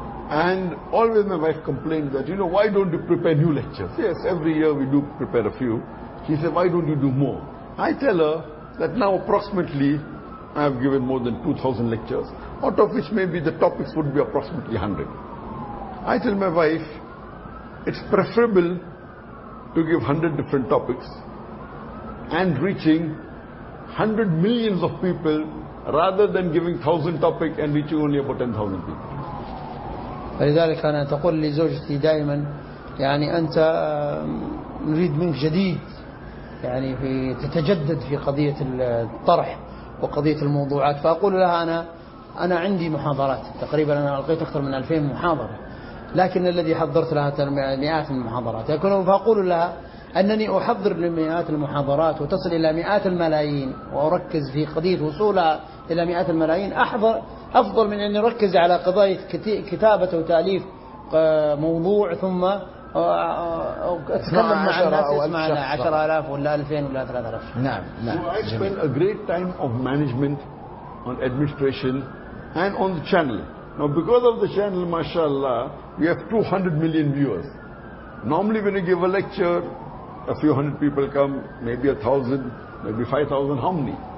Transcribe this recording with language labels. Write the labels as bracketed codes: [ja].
[en] And always my wife complained that, you know, why don't you prepare new lectures? Yes, every year we do prepare a few. She said, why don't you do more? I tell her that now approximately I have given more than 2,000 lectures, out of which maybe the topics would be approximately 100. I tell my wife, it's preferable to give 100 different topics and reaching 100 millions of people rather than giving 1,000 topics and reaching only about 10,000 people. [ar] فلذلك أنا تقول لزوجتي دائما يعني أنت نريد منك جديد، يعني في تتجدد في قضية الطرح وقضية الموضوعات، فأقول لها أنا عندي محاضرات تقريبا، أنا ألقيت أكثر من 2000 محاضرة، لكن الذي حضرت لها مئات المحاضرات، فأقول لها أنني أحضر لمئات المحاضرات وتصل إلى مئات الملايين، وأركز في قضية وصولها إلى مئات الملايين أحضر أفضل من أن أركز على قضايا كتابة وتأليف موضوع ثم أتكلم مع الناس يسمعنا 10,000 ولا 2,000 ولا 3,000. نعم. [en] So I spend a great time of management on administration and on the channel. Now because of the channel, mashallah, we have 200 million viewers. Normally when you give a lecture, a few hundred people come, maybe 1,000, maybe 5,000, how many?